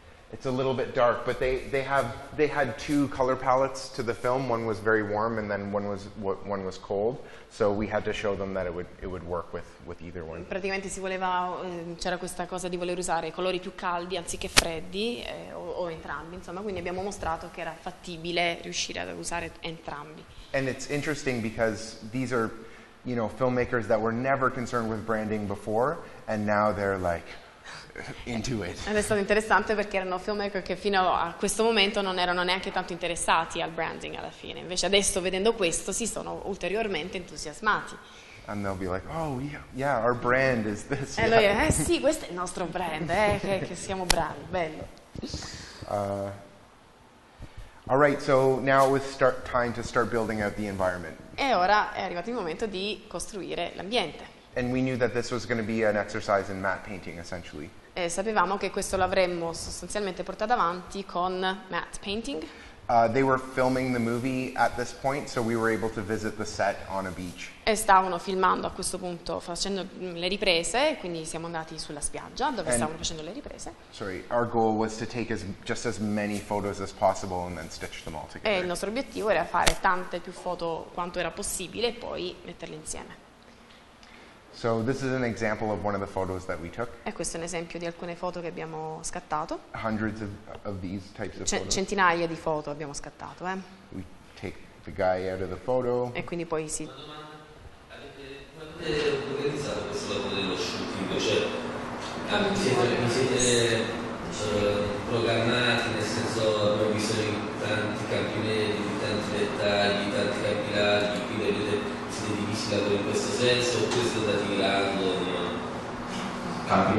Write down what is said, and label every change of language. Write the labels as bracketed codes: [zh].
[en] It's a little bit dark, but they had two color palettes to the film. One was very warm, and then one was cold. So we had to show them that it would work with either one. [it] Praticamente si voleva c'era questa cosa di voler usare colori più caldi anziché freddi o entrambi, insomma. Quindi abbiamo mostrato che era fattibile riuscire ad usare entrambi. [en] And it's interesting because these are, you know, filmmakers that were never concerned with branding before, and now they're like. Into it. [it] Ed è stato interessante perché erano filmmaker che fino a questo momento non erano neanche tanto interessati al branding alla fine. Invece adesso vedendo questo si sono ulteriormente entusiasmati. [en] And they'll be like, oh yeah, our brand is this. [it] E lui dice, sì, questo è il nostro brand, che siamo bravi, bello. [en] All right, so now it's time to start building out the environment. [it] E ora è arrivato il momento di costruire l'ambiente. [en] And we knew that this was going to be an exercise in matte painting, essentially. [it] E sapevamo che questo l'avremmo sostanzialmente portato avanti con matte painting. [en] They were filming the movie at this point, so we were able to visit the set on a beach. [it] E stavano filmando a questo punto, facendo le riprese, quindi siamo andati sulla spiaggia dove stavano facendo le riprese. [en] Sorry, our goal was to take just as many photos as possible and then stitch them all together. [it] E il nostro obiettivo era fare tante più foto quanto era possibile e poi metterle insieme. [en] So this is an example of one of the photos that we took. [it] E questo è un esempio di alcune foto che abbiamo scattato. [en] Hundreds of these types of photos. [it] Centinaia di foto abbiamo scattato, [en] We take the guy out of the photo. [it] E quindi poi sì. Quando avete organizzato questo lavoro dello shooting? Cioè, vi siete programmati, nel senso, abbiamo visto tanti campionelli, tanti dettagli, tanti capillari, quindi avete in questo senso, questo da tirando, no?